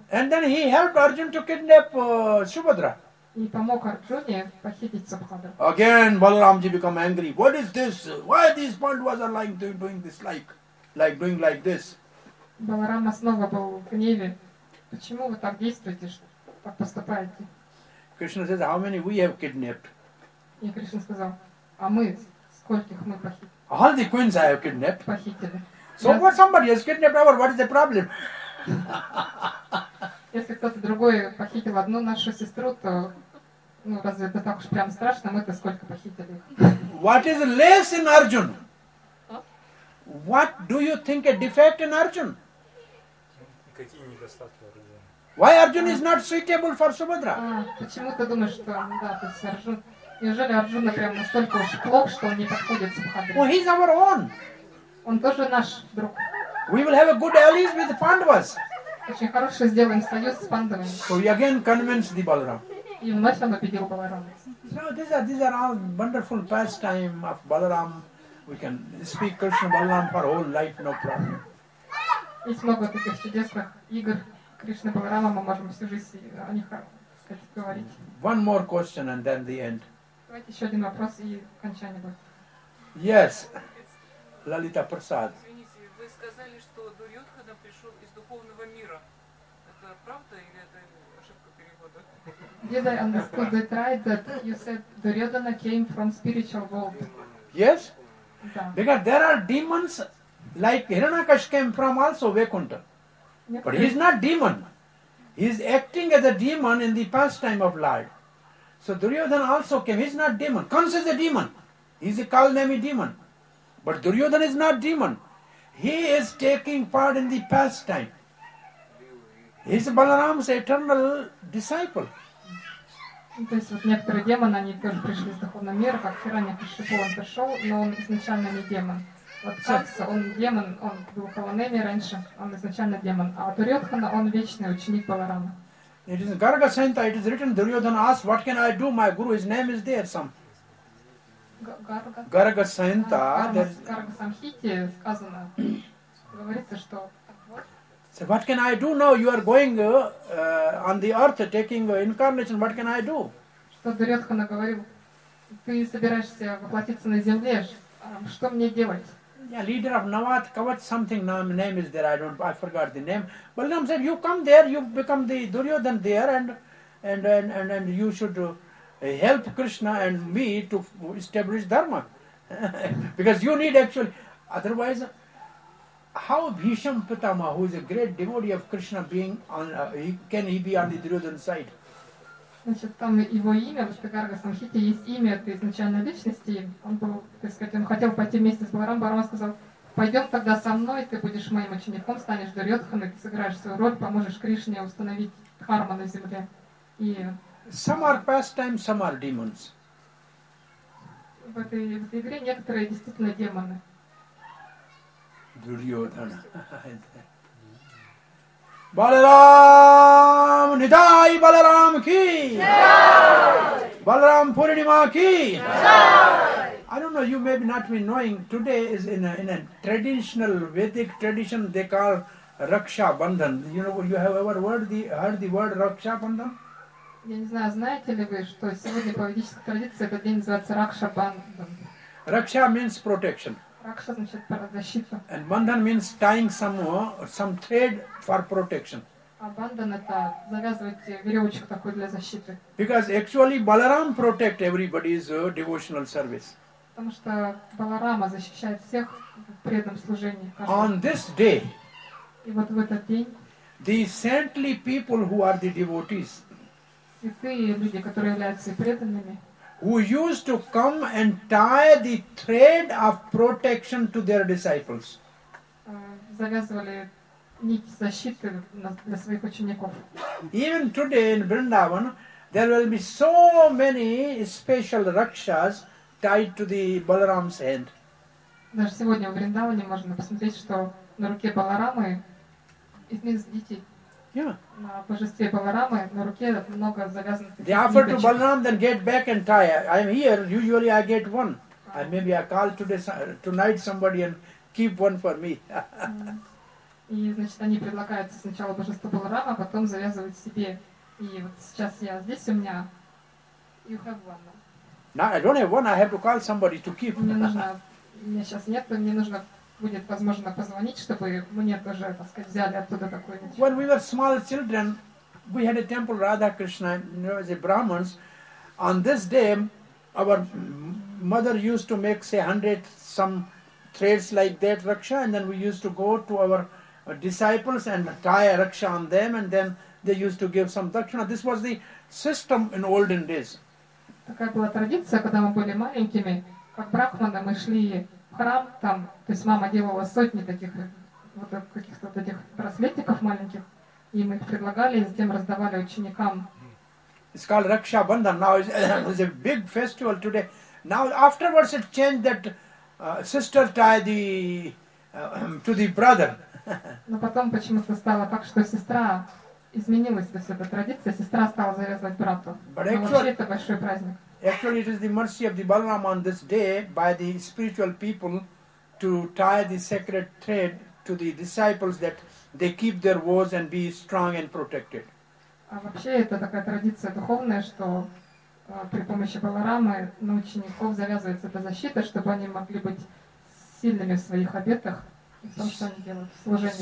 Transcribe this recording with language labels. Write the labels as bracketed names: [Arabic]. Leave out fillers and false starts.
[English] And then he helped Arjuna to kidnap Subhadra. [Russian] И помог Арджуне похитить Субхадру. [English] Again, Balaramji become angry. What is this? Why these Pandavas are like doing this like this? [Russian] Баларама снова был в гневе. Почему вы так действуете, так поступаете? [English] Кришна says, how many we have kidnapped? [Russian] И Кришна сказал, а мы скольких мы похитили? [English] All the queens I have kidnapped. [Russian] Похитили. [English] So what somebody has kidnapped our, what is the problem? [Russian] Если кто-то другой похитил одну нашу сестру, то ну разве это так уж прям страшно? Мы-то сколько похитили? [English] What is less in Arjun? What do you think a defect in Arjun? [Russian] Какие недостатки Arjun? [English] Why Arjun is not suitable for Subhadra? [Russian] Почему ты думаешь, что да, то есть Arjun? Неужели Арджуна прям настолько уж плох, что он не подходит Субхадре? [English] Well, he's our own. [Russian] Он тоже наш друг. [English] We will have a good alliance with the Pandavas. [Russian] Очень хороший сделаем союз с Пандавами. [English] So we again convince the Balaram. [Russian] И вновь он убедил Баларама. [English] So these are all wonderful pastime of Balaram. We can speak Krishna Balaram for whole life, no problem. [Russian] Есть много таких чудесных игр Кришны Баларама, мы можем всю жизнь о них говорить. [English] One more question and then the end. [Russian] Давайте еще один вопрос и окончание будет. [English] Yes. Лалита Прасад. [Russian] Извините, вы сказали, что Дурьотхана пришел из духовного мира. Это правда или это ошибка перевода? [English] Did I understand it right that you said Duryodhana came from spiritual world? Yes. [Russian] Да. [English] Because there are demons like Hiranyakashipu came from also Vaikuntha. Yep. But he is not demon. He is acting as a demon in the pastime of life. So Duryodhana also came. He is not demon. Kansa is a demon. He is a Kalnemi demon. But Duryodhana is not demon. He is taking part in the pastime. He is Balaram's eternal disciple. [Russian] То есть вот некоторые демоны, они тоже пришли из духовного мира, как Хиранья-Кашипу он пришел, но он изначально не демон. Вот Канса, он демон, он был Каланеми раньше, он изначально демон. А Дурьотхана, он вечный ученик Баларама. [English] It is in Garga-Santa, it is written, Duryodhana asked, what can I do? My guru, his name is there, some. Garga-Santa. [Russian] Garga-Samhiti сказано, говорится, что... [English] So what can I do now? You are going on the earth, taking incarnation. What can I do? [Russian] Что Дурьотхана говорил? Ты собираешься воплотиться на земле. Что мне делать? [English] Yeah, leader of Navat Kavach something name is there. I forgot the name. Balaram said, you come there, you become the Duryodhana there, and you should help Krishna and me to establish dharma, because you need actually. Otherwise. How Bhishma Pitama, who is a great devotee of Krishna, being on, can he be on the Duryodhana side? [Russian] Значит, там его имя, в Гарга Самхите есть имя этой изначальной личности. Он был, так сказать, он хотел пойти вместе с Баларамой. Баларама сказал, пойдем тогда со мной, ты будешь моим учеником, станешь Дурьотханой, ты сыграешь свою роль, поможешь Кришне установить дхарму на земле. И... [English] Some are pastimes, some are demons. [Russian] В этой игре некоторые действительно демоны. [English] Duryodhana. [Hindi] Balaram Nidai Balaram Ki. Jai. Balaram Purnima Ki. Jai. [English] I don't know, you may be not be knowing, today is in a traditional Vedic tradition they call Raksha Bandhan. You know, you have ever heard the word Raksha Bandhan? [Russian] Я не знаю, знаете ли вы, что сегодня по ведической традиции этот день называется Raksha Bandhan. [English] Raksha means protection. [Russian] Raksha значит про защиту. [English] And bandhan means tying some thread for protection. [Russian] А bandhan это завязывать веревочку такую для защиты. [English] Because actually Balaram protect everybody's devotional service. [Russian] Потому что Баларама защищает всех в преданном служении. [English] On this day. [Russian] И вот в этот день. [English] The saintly people who are the devotees. [Russian] Святые люди, которые являются преданными. [English] Who used to come and tie the thread of protection to their disciples. [Russian] Завязывали нить защиты для своих учеников. [English] Even today in Vrindavan, there will be so many special rakshas tied to the Balaram's hand. [Russian] Даже сегодня в Вриндаване можно посмотреть, что на руке Баларамы из детей [English] Yeah. [Russian] На божестве Баларамы на руке много завязанных. [English] They offer to Balaram, then get back and tie. I am here. Usually I get one. I maybe I call today tonight somebody and keep one for me. [Russian] И значит они предлагают сначала божество Баларама, а потом завязывать себе. И вот сейчас я здесь у меня. [English] You have one. No, I don't have one. I have to call somebody to keep. [Russian] Мне нужно. Мне сейчас нет, но мне нужно. Будет возможно позвонить, чтобы мне тоже, так сказать, взяли оттуда какой-нибудь. [English] When we were small children, we had a temple Radha Krishna, as a Brahmins. On this day, our mother used to make, say, 100 some threads like that, raksha, and then we used to go to our disciples and tie a raksha on them, and then they used to give some dakshina. This was the system in olden days. [Russian] Такая была традиция, когда мы были маленькими, как брахманы мы шли храм там, то есть мама делала сотни таких вот каких-то вот этих браслетиков маленьких, и мы их предлагали, и затем раздавали ученикам. [English] It's called Raksha Bandhan. Now it's a big festival today. Now afterwards it changed that sister tie the to the brother. [Russian] Но потом почему-то стало так, что сестра изменилась, то есть эта традиция, сестра стала завязывать брату. [English] But actually, [Russian] вообще это большой праздник. Actually, it is the mercy of the Balaram on this day by the spiritual people to tie the sacred thread to the disciples that they keep their vows and be strong and protected. А вообще это такая традиция духовная, что при помощи Баларамы на учеников завязывается эта защита, чтобы они могли быть сильными в своих обетах и в том, что они делают в служении.